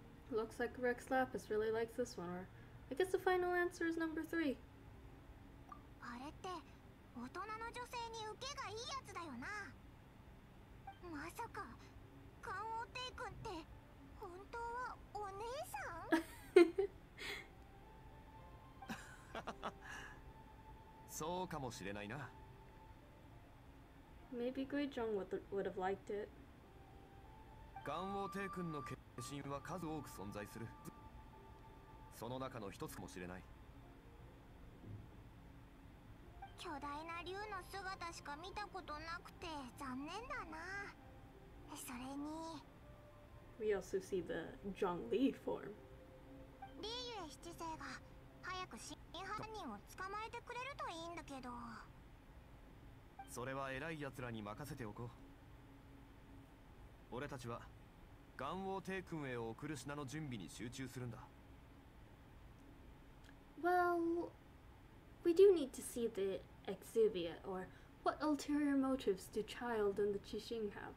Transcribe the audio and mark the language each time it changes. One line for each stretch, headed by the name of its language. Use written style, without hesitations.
English: Looks like Rex Lapis really likes this one, or I guess the final answer is number three.
Japanese: あれって大人の女性に受けがいいやつだよな。まさか漢王帝君って本当はお姉さん？そうかもしれないな。
English: Maybe Guizhong would have liked it.
Japanese: 漢王帝君の化身は数多く存在する。その中の一つかもしれない。巨大な竜の姿しか見たことなくて残念だな。それに、
English: We also see the Zhongli form.
Japanese: リーユエ七世が早く真犯人を捕まえてくれるといいんだけど。それは偉い奴らに任せておこう。俺たちは岩王帝君へ送る品の準備に集中するんだ。
English: Well, we do need to see the Exuvia, or. What ulterior motives do Child and the Qixing have?